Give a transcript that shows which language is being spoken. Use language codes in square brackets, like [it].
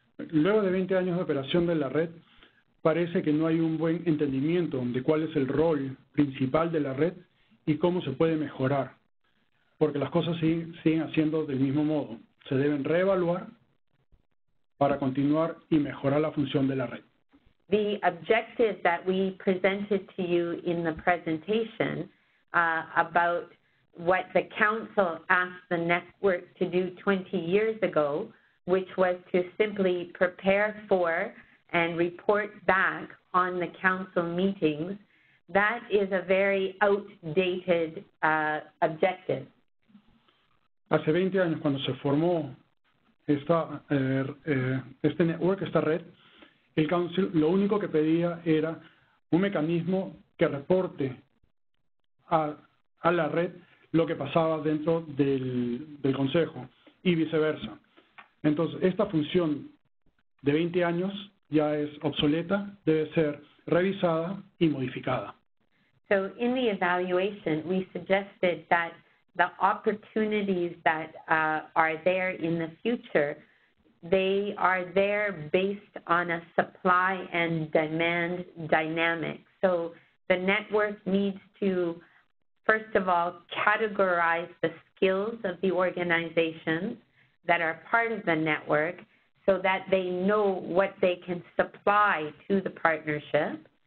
[es] Luego de 20 años de operación de la red, parece que no hay un buen entendimiento de cuál es el rol principal de la red y cómo se puede mejorar, porque las cosas siguen haciendo del mismo modo. Se deben reevaluar para continuar y mejorar la función de la red. [en] The objective that we presented to you in the presentation about what the council asked the network to do 20 years ago, which was to simply prepare for and report back on the council meetings, that is a very outdated objective. [es] Hace 20 años cuando se formó esta este network, esta red, el council lo único que pedía era un mecanismo que reporte a la red lo que pasaba dentro del consejo y viceversa. Entonces, esta función de 20 años ya es obsoleta, debe ser revisada y modificada. [en] So in the evaluation, we suggested that the opportunities that are there in the future, they are there based on a supply and demand dynamic. So the network needs to, first of all, categorize the skills of the organizations that are part of the network so that they know what they can supply to the partnership.